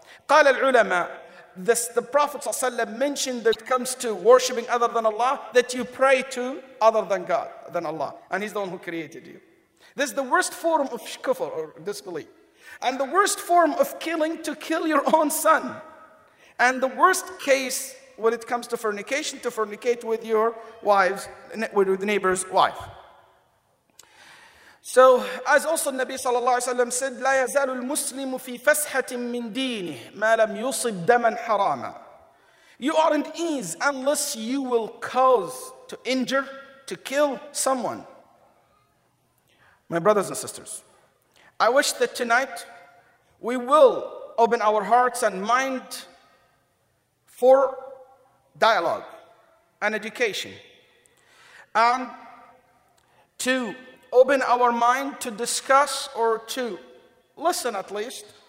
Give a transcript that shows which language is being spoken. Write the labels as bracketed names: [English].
[Arabic] قال العلماء, [English] the Prophet ﷺ mentioned that it comes to worshiping other than Allah, that you pray to other than God, than Allah, and He's the one who created you. This is the worst form of kufr or disbelief. And the worst form of killing, to kill your own son. And the worst case when it comes to fornication, to fornicate with your wife's, with the neighbor's wife. So, as also Nabi sallallahu alayhi wa sallam said, [Arabic] لا يزال المسلم في فسحة من دينه ما لم يصب دما حراما. [English] You aren't ease unless you will cause to injure, to kill someone. My brothers and sisters, I wish that tonight we will open our hearts and mind for dialogue and education, and to open our mind to discuss or to listen at least